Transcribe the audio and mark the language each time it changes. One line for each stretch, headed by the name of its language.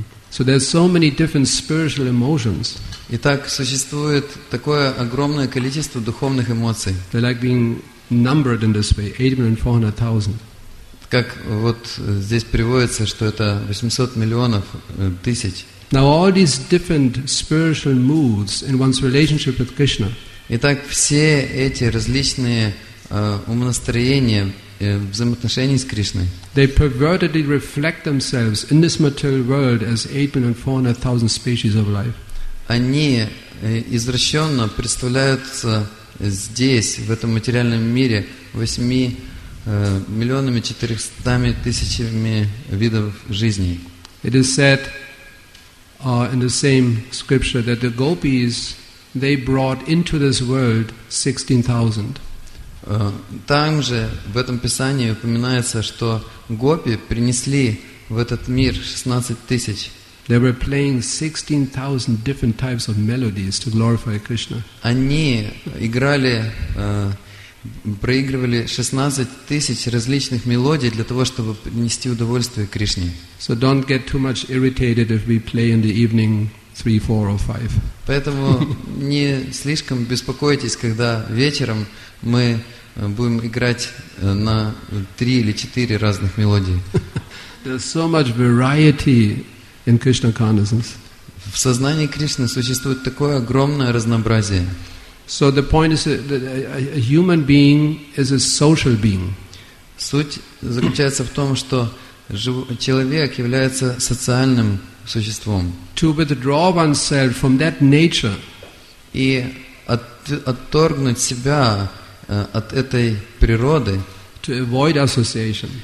English: So there's so many different spiritual emotions.
Russian: Итак, существует такое огромное количество духовных эмоций.
English: They're like being numbered in this way, 8,400,000.
Russian: Как вот здесь приводится, что это 800 миллионов тысяч.
English: Now all these different spiritual moods in one's relationship with Krishna.
Russian: Итак, все эти различные умонастроения, взаимоотношения с Кришной.
English: They pervertedly reflect themselves in this material world as 8,400,000 species of life.
Russian: Они извращенно представляются здесь, в этом материальном мире, 8,400,000 видов жизни.
English: It is said in the same scripture that the gopis, they brought into this world 16,000.
Russian: Там же в этом писании упоминается, что гопи принесли в этот мир 16,000.
English: They were playing 16,000 different types of melodies to glorify Krishna.
Russian: Они играли проигрывали 16,000 различных мелодий для того, чтобы принести удовольствие Кришне.
English: So don't get too much irritated if we play in the evening 3, 4, or 5.
Russian: Поэтому не слишком беспокойтесь, когда вечером мы будем играть на 3 или 4 разных мелодий.
English: There's so much variety in Krishna consciousness.
Russian: В сознании Кришны существует такое огромное разнообразие.
English: So the point is that a human being is a social being.
Russian: Суть заключается в том, что человек является социальным существом.
English: To withdraw oneself from that nature.
Russian: И отторгнуть себя от этой природы.
English: To avoid association.